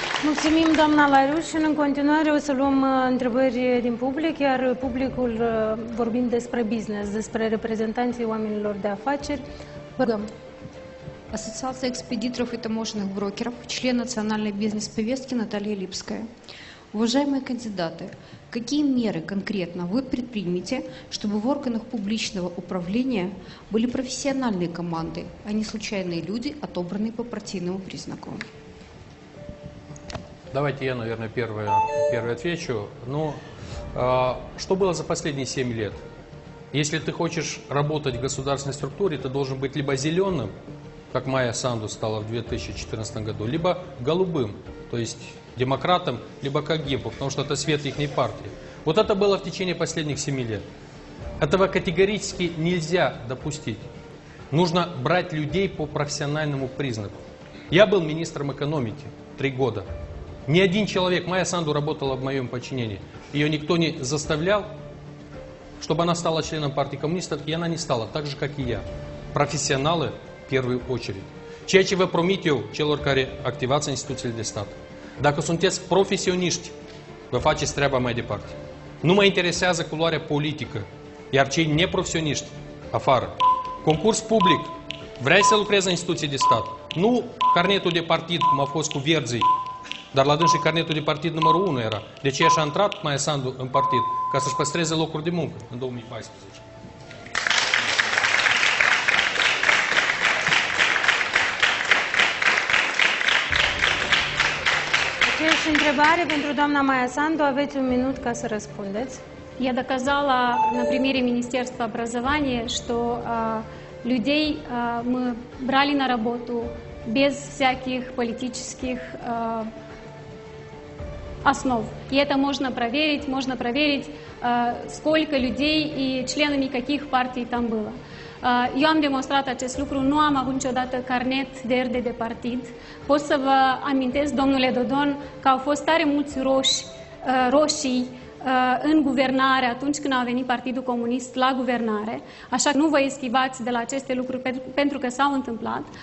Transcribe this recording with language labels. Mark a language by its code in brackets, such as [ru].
[ro] Mulțumim, doamna Lairuș, și în continuare o să luăm întrebări din public, iar publicul, vorbind despre business, despre reprezentanții oamenilor de afaceri, vă rugăm. Asociația expeditorilor și tămoșenilor brokerilor, член Naționalei Business Povestki, Natalia Lipska. [ru] Уважаемые кандидаты, какие меры конкретно вы предпримете, чтобы в органах публичного управления были профессиональные команды, а не случайные люди, отобранные по партийному признаку? Давайте я, наверное, первый отвечу. Ну, что было за последние 7 лет? Если ты хочешь работать в государственной структуре, ты должен быть либо зеленым, как Майя Санду стала в 2014 году, либо голубым, то есть демократом, либо КГБ, потому что это свет их партии. Вот это было в течение последних 7 лет. Этого категорически нельзя допустить. Нужно брать людей по профессиональному признаку. Я был министром экономики 3 года. Ни один человек, Майя Санду работала в моем подчинении, ее никто не заставлял, чтобы она стала членом партии коммунистов, и она не стала, так же, как и я. Профессионалы в первую очередь. [ro] Ceea ce vă promit eu, celor care activați instituțiile de stat, dacă sunteți profesioniști, vă faceți treaba mai departe. Nu mă interesează culoarea politică, iar cei neprofesioniști, afară. Concurs public, vrei să lucrezi în instituții de stat, nu carnetul de partid, cum a fost cu Verzii, dar la dânsă carnetul de partid numărul 1 era. De ce așa a intrat Maia Sandu în partid? Ca să-și păstreze locuri de muncă în 2014. Aceeași întrebare pentru doamna Maia Sandu. Aveți un minut ca să răspundeți. [ru] Я доказала на примере Министерства образования, что людей мы брали на работу без всяких политических основ. И это можно проверить, сколько людей и членами каких партий там было. [ro] Eu am demonstrat acest lucru, nu am avut niciodată carnet verde de partid. Pot să vă amintesc, domnule Dodon, că au fost tare mulți roșii în guvernare atunci când a venit Partidul Comunist la guvernare, așa că nu vă eschivați de la aceste lucruri pentru că s-au întâmplat.